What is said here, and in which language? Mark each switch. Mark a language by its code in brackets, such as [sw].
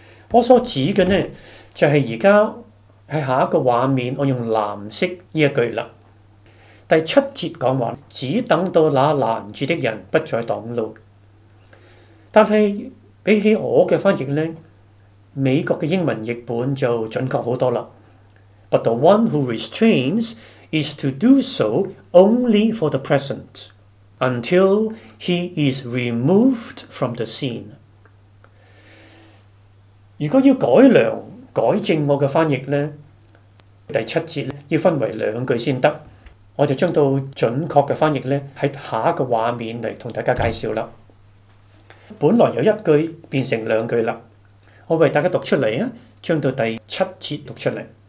[yue] 我所指的呢，就是現在在下一個畫面我用藍色這一句啦。第七節講話，只等到那攔住的人不再擋路。但是比起我的翻譯呢，美國的英文譯本就準確很多了。 [en] But the one who restrains is to do so only for the present, until he is removed from the scene. [yue] 如果要改良、改正我的翻譯呢，第七節要分為兩句先得。我就將到準確的翻譯咧，喺下一個畫面嚟同大家介紹啦。本來有一句變成兩句啦，我為大家讀出嚟啊，將到第七節讀出嚟。